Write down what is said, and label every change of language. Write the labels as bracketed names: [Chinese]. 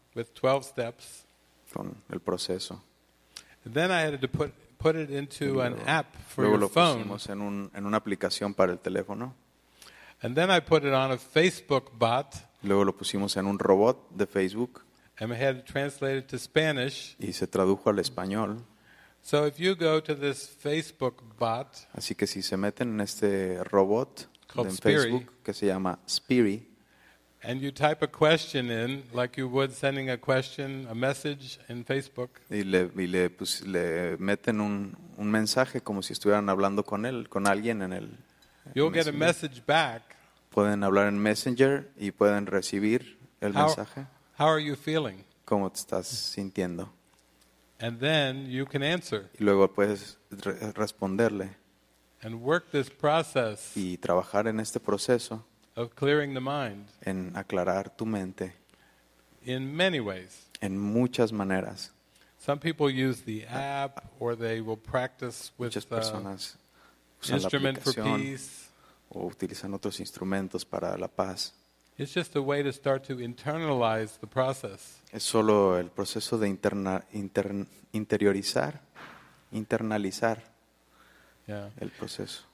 [English] With 12 steps. [Spanish] Con el proceso. [English] And then I had to put it into an app for your phone. [Spanish] Luego lo pusimos en una aplicación para el teléfono. [English] And then I put it on a Facebook bot. [Spanish] Luego lo pusimos en un robot de Facebook. [English] And I had it translated to Spanish. [Spanish] Y se tradujo al español. [English] So if you go to this Facebook bot. [Spanish] Así que si se meten en este robot [English] called [Spanish] en Facebook [English] Spiri, [Spanish] que se llama Spiri. [English] And you type a question in, like you would sending a question, a message in Facebook. [Spanish] Y le meten un mensaje como si estuvieran hablando con él, con alguien en el. [English] You'll get a message back. [Spanish] Pueden hablar en Messenger y pueden recibir el mensaje. [English] How are you feeling? [Spanish] ¿Cómo te estás sintiendo? [English] And then you can answer. [Spanish] Y luego puedes responderle. [English] And work this process. [Spanish] Y trabajar en este proceso. [English] Of clearing the mind. [Spanish] En aclarar tu mente. [English] In many ways. [Spanish] En muchas maneras. [English] Some people use the app or they will practice with [Spanish] muchas personas [English] the instrument for peace. [Spanish] O utilizan otros instrumentos para la paz. [English] It's just a way to start to internalize the process. [Spanish] Es solo el proceso de internalizar el proceso.